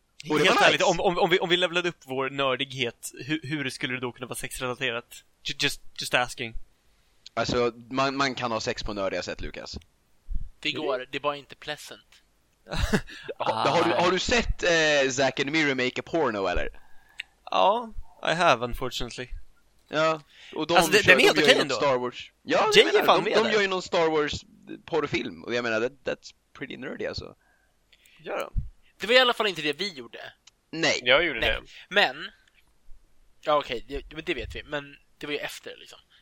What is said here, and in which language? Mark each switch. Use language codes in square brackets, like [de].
[sv] Och helt ärligt, nice. om vi levlade upp vår nördighet, hur skulle det då kunna vara sexrelaterat? [en] Just asking. [sv] Alltså, man kan ha sex på nördiga sätt, Lukas. Det går, det var inte pleasant. har du sett Zack and Miri make a porno, eller? [en] Ja, I have, unfortunately. [sv] Ja, och de, alltså, de gör ju någon Star Wars. Ja, de gör ju någon Star Wars porrfilm. Och jag menar, [en] that's pretty nerdy, [sv] alltså. Gör de? Det var i alla fall inte det vi gjorde. Nej. Jag gjorde Nej. Det. Men, ja okej, okay, det vet vi. Men det var ju efter, liksom.